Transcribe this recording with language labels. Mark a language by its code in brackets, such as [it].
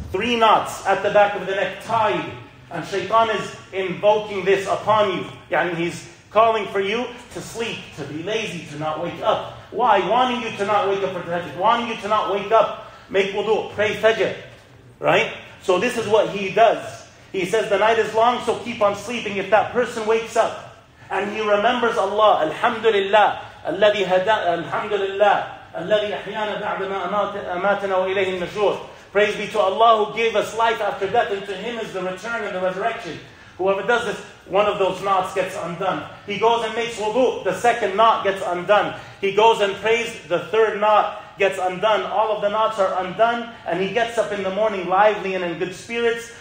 [en] Three knots at the back of the neck tied. And Shaytan is invoking this upon you. And he's calling for you to sleep, to be lazy, to not wake up. Why? Wanting you to not wake up for tahajjud. Wanting you to not wake up. Make wudu, pray fajr. Right? So this is what he does. He says, the night is long, so keep on sleeping. If that person wakes up and he remembers Allah, [ar] Alhamdulillah, الذي هدانا الحمد لله الذي أحيانا بعد ما أماتنا وإليه النشور. [en] Praise be to Allah who gave us life after death, and to Him is the return and the resurrection. Whoever does this, one of those knots gets undone. He goes and makes wudu, the second knot gets undone. He goes and prays, the third knot gets undone. All of the knots are undone, and he gets up in the morning lively and in good spirits.